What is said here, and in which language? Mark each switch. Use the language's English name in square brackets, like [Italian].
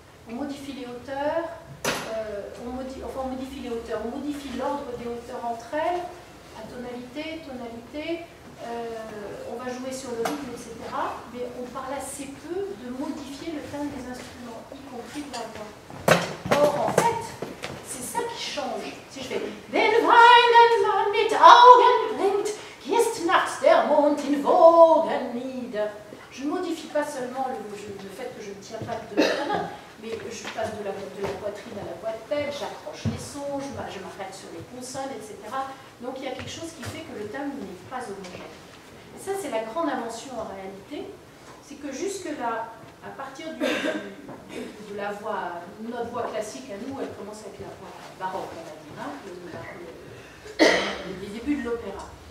[French] On modifie les hauteurs, on modifie les hauteurs, on modifie l'ordre des hauteurs entre elles, la tonalité, on va jouer sur le rythme, etc. Mais on parle assez peu de modifier le timbre des instruments, y compris de la voix. Or, en fait, c'est ça qui change. Si je fais [German] Den weinen man mit Augen blinkt, gießt nachts der Mond in Wogen nieder. [French] Je ne modifie pas seulement le fait que je ne tiens pas de la main. Mais je passe de la poitrine à la voix de tête, j'accroche les sons, je m'arrête sur les consonnes, etc. Donc il y a quelque chose qui fait que le timbre n'est pas homogène. Et ça, c'est la grande invention en réalité, c'est que jusque-là, à partir de la voix, notre voix classique à nous, elle commence avec la voix baroque, on va dire, hein, les débuts de l'opéra.